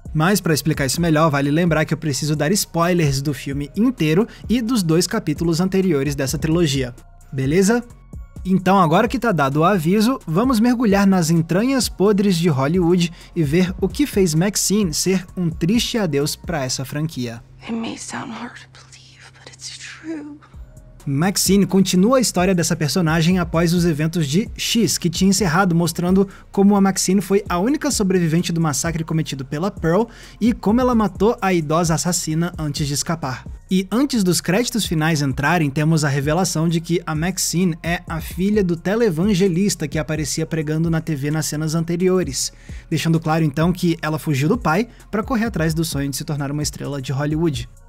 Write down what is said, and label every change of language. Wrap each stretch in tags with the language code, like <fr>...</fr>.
<pt>Mas para explicar isso melhor, vale lembrar que eu preciso dar spoilers do filme inteiro e dos dois capítulos anteriores dessa trilogia, beleza? Então, agora que tá dado o aviso, vamos mergulhar nas entranhas podres de Hollywood e ver o que fez Maxine ser um triste adeus para essa franquia.</pt> <en>It may sound hard to believe, but it's true.</en> <pt>Maxine continua a história dessa personagem após os eventos de X, que tinha encerrado mostrando como a Maxine foi a única sobrevivente do massacre cometido pela Pearl e como ela matou a idosa assassina antes de escapar. E antes dos créditos finais entrarem, temos a revelação de que a Maxine é a filha do televangelista que aparecia pregando na TV nas cenas anteriores, deixando claro então que ela fugiu do pai para correr atrás do sonho de se tornar uma estrela de Hollywood.</pt>